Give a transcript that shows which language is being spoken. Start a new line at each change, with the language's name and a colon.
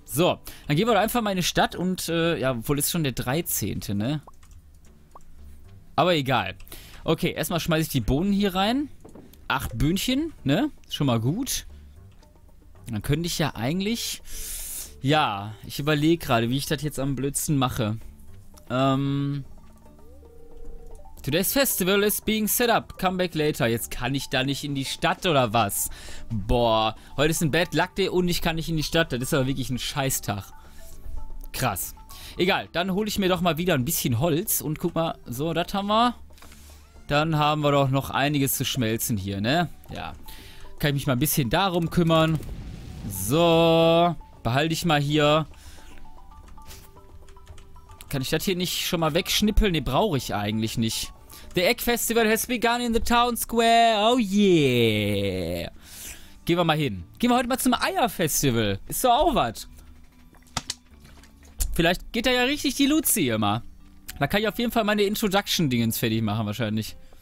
German: So, dann gehen wir doch einfach mal in die Stadt und, ja, wohl ist schon der 13., ne? Aber egal. Okay, erstmal schmeiße ich die Bohnen hier rein. 8 Böhnchen, ne? Schon mal gut. Dann könnte ich ja eigentlich... Ja, ich überlege gerade, wie ich das jetzt am blödsten mache.
English: Today's Festival is being set up. Come back later.
German: Jetzt kann ich da nicht in die Stadt oder was? Boah, heute ist ein Bad Luck Day und ich kann nicht in die Stadt. Das ist aber wirklich ein Scheißtag. Krass. Egal, dann hole ich mir doch mal wieder ein bisschen Holz. Und guck mal, so, das haben wir. Dann haben wir doch noch einiges zu schmelzen hier, ne? Ja. Kann ich mich mal ein bisschen darum kümmern. So, behalte ich mal hier. Kann ich das hier nicht schon mal wegschnippeln? Ne, brauche ich eigentlich nicht.
English: The Egg Festival has begun in the town square. Oh yeah.
German: Gehen wir mal hin. Gehen wir heute mal zum Eierfestival. Ist doch auch was. Vielleicht geht da ja richtig die Luzi immer. Da kann ich auf jeden Fall meine Introduction-Dingens fertig machen wahrscheinlich.